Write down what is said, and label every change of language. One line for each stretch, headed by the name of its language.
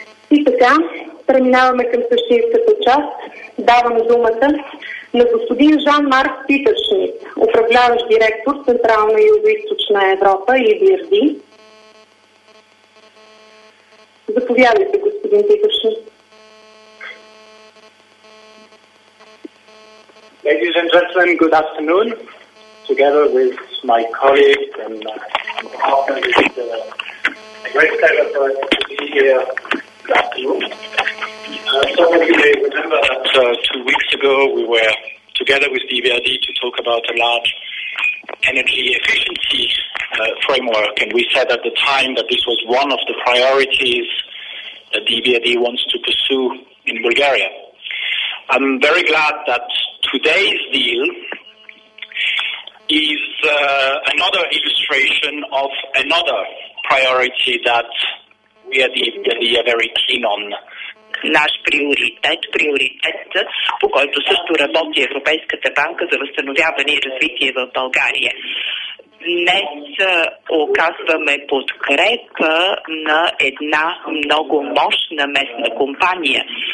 Bulgarian: И така, преминаваме към същинската част. Давам думата на господин Жан-Марк Питършмит, управляващ директор Централна и Югоизточна Европа и EBRD. Заповядайте, господин Питършмит.
English: Ladies and gentlemen, good afternoon. Together with my colleagues and my partner, it's a great pleasure for us to be here this afternoon. Some of you may remember that 2 weeks ago we were together with the EBRD to talk about a large energy efficiency framework, and we said at the time that this was one of the priorities that the EBRD wants to pursue in Bulgaria. I'm very glad that today's deal is another illustration of another priority that we at the EBRD are very keen on.
Bulgarian: Наш приоритет, приоритет, по който също работи Европейската банка за възстановяване и развитие в България. Днес оказваме подкрепа на една много мощна местна компания.